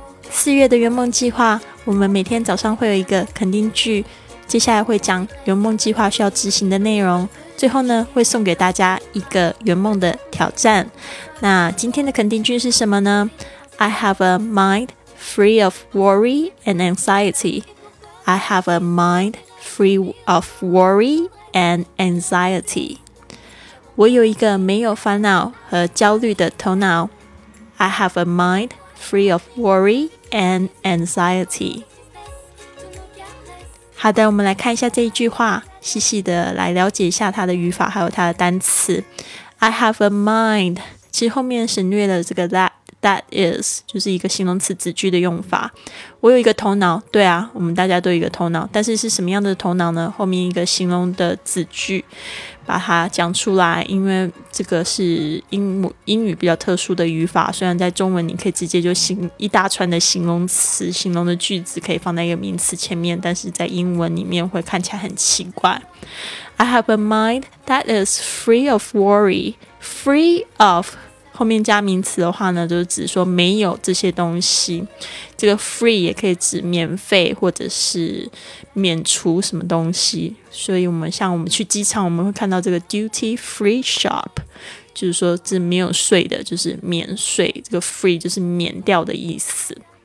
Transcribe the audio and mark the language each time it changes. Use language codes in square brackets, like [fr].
[zh] 四月的圆梦计划，我们每天早上会有一个肯定句，接下来会讲圆梦计划需要执行的内容，最后呢会送给大家一个圆梦的挑战。那今天的肯定句是什么呢？ [en] I have a mind free of worry and anxiety. I have a mind free of worry and anxiety. [zh] 我有一个没有烦恼和焦虑的头脑。 [en] I have a mindfree of worry and anxiety. [zh] 好的，我们来看一下这一句话，细细的来了解一下它的语法还有它的单词。 [en] I have a mind， [zh] 其实后面省略了这个 [en] that is， [zh] 就是一个形容词子句的用法。我有一个头脑，对啊，我们大家都有一个头脑，但是是什么样的头脑呢？后面一个形容的子句把它讲出来，因为这个是英语比较特殊的语法，虽然在中文你可以直接就形一大串的形容词形容的句子可以放在一个名词前面，但是在英文里面会看起来很奇怪。 [en] I have a mind that is free of worry. [zh] Free of 后面加名词的话呢，就是指说没有这些东西，这个 free 也可以指免费或者是免除什么东西。所以我们像我们去机场，我们会看到这个 duty free shop， 就是说这没有税的，就是免税，这个 free 就是免掉的意思。